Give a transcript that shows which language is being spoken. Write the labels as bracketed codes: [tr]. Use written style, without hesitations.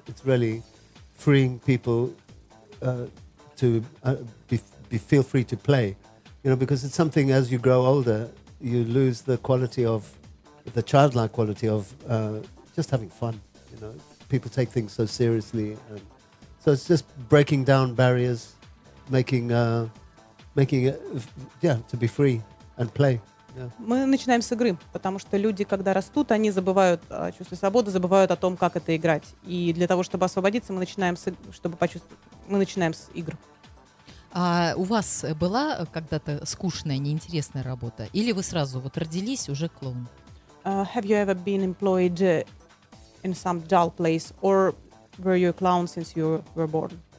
[en] It's really freeing people to feel free to play, you know, because it's something as you grow older, you lose the quality of the childlike quality of just having fun. You know, people take things so seriously, and so it's just breaking down barriers, making it to be free and play. Yeah. [ru] Мы начинаем с игры, потому что люди, когда растут, они забывают о чувстве свободы, забывают о том, как это играть. И для того, чтобы освободиться, мы начинаем с игр. А у вас была когда-то скучная, неинтересная работа? Или вы сразу вот родились уже клоун? [en] Have you ever been employed in some dull place, or were you a clown since you were born?